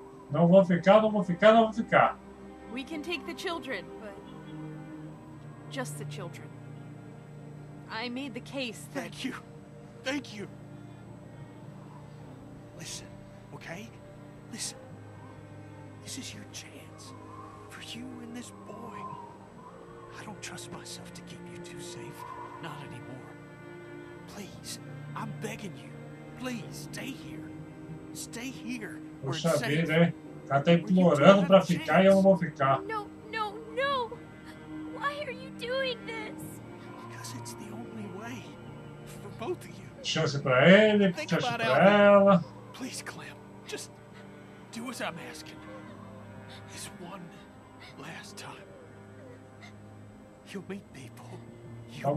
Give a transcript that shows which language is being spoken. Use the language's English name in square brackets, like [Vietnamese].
[Portuguese] Não vou ficar, não vou ficar, não vou ficar. [English] We can take the children, but just the children. I made the case. That... Thank you. Thank you. Listen, okay? Listen. This is your chance, for you and this boy. I don't trust myself to keep you two safe, not anymore. Please, I'm begging you, please, stay here. Stay here, where it's safe. [Portuguese] Poxa vida, hein? O cara tá implorando pra ficar e eu não vou ficar. [English] No, no, no! Why are you doing this? Because it's the only way for both of you. [Portuguese] Chance pra ele, chance pra ela. [English] Please, Clem, just do as I'm asking. This one last time. You'll meet people. You'll